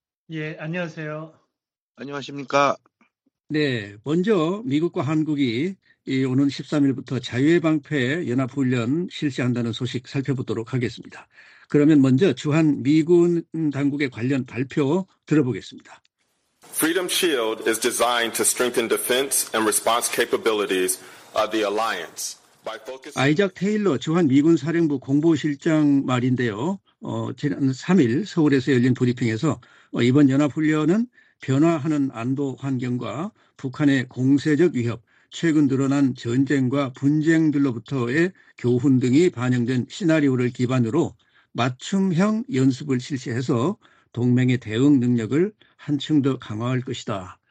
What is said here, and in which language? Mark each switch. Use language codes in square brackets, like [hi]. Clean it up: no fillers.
[ko] 예, 안녕하세요. 안녕하십니까. 네, 먼저 미국과 한국이 오는 13일부터 자유의 방패 연합훈련 실시한다는 소식 살펴보도록 하겠습니다. 그러면 먼저 주한 미군 당국의 관련 발표 들어보겠습니다. [en] Freedom Shield is designed to strengthen defense and response capabilities of the alliance. [ko] 아이작 테일러 주한 미군 사령부 공보실장 말인데요. 지난 3일 서울에서 열린 브리핑에서 이번 연합훈련은 변화하는 안보 환경과 북한의 공세적 위협, 최근 늘어난 전쟁과 분쟁들로부터의 교훈 등이 반영된 시나리오를 기반으로 맞춤형 연습을 실시해서 동맹의 대응 능력을 한층 더 강화할 것이다.